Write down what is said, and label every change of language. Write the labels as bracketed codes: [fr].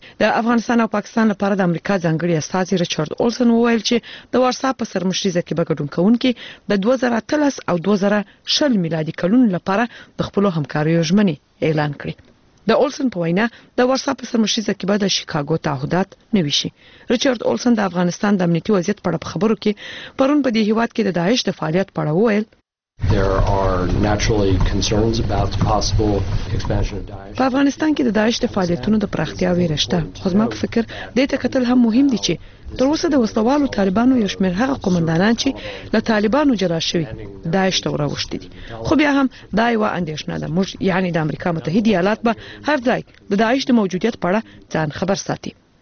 [ps] د افغانستان او پاکستان لپاره د امریکا ځانګړي استازي ریچارډ اولسن وویل چې د وارسا سرمشري ځکه به ګډون کوونکې د 2013 او 2006 میلادي کلونو لپاره د خپلو همکاریو ژمنی اعلان کړي. د اولسن په وینا د وارسا سرمشري ځکه به د شیکاګو تعهدات نوي شي. ریچارډ اولسن د افغانستان د امنیتي وضعیت په اړه خبرو کې پرون په دې هیواد کې د داعش د فعالیت په اړه وویل: [en] There are naturally concerns about the possible expansion of Daesh. [ps] په افغانستان کې د داعش د فعالیتونو د پراختیا ویرشته. خو زما په فکر دې ته کتل هم مهم دي چې تر اوسه د وسلوالو طالبانو یو شمېر هغه قومندانان چې له طالبانو جلا شوي داعش ته راوښتي دي. خو بیا هم دا یو اندېښنه ده، موږ یعنی د امریکا متحده ایالات به هر ځای د داعش د موجودیت په اړه ځان خبر ساتي.